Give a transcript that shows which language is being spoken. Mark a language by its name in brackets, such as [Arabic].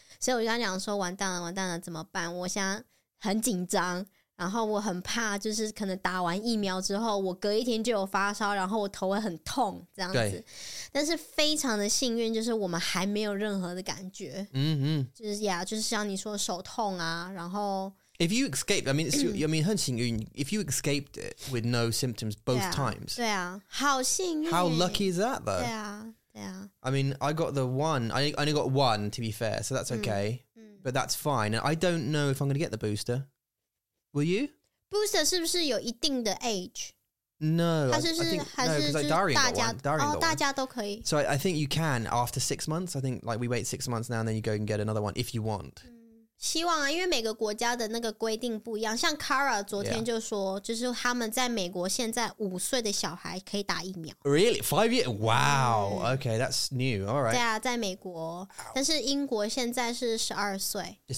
[Chinese] 所以我就跟他讲说，完蛋了，完蛋了，怎么办？我现在很紧张，然后我很怕，就是可能打完疫苗之后，我隔一天就有发烧，然后我头会很痛这样子。但是非常的幸运，就是我们还没有任何的感觉。就是呀，就是像你说手痛啊，然后。 [English] If you escaped, I mean, it's still, I mean, [Chinese] 很幸运 [English] If you escaped it with no symptoms both times, [Chinese] 对啊，好幸运。 [English] How lucky is that, though? [Chinese] 对啊，对啊。 [English] I mean, I got the one. I only got one, to be fair, so that's okay. But that's fine. And I don't know if I'm going to get the booster. Will you? [Chinese] Booster 是不是有一定的 age? [English] No, I think [Chinese] 大家都可以。 [English] So I think you can after 6 months. I think like we wait 6 months now and then you go and get another one if you want. [Chinese] 希望啊，因为每个国家的那个规定不一样。像 Kara 昨天就说，就是他们在美国现在五岁的小孩可以打疫苗。 [English] Really? 5 years? Wow. Okay, that's new. All right. [Chinese] 对啊，在美国，但是英国现在是十二岁。 [English] It's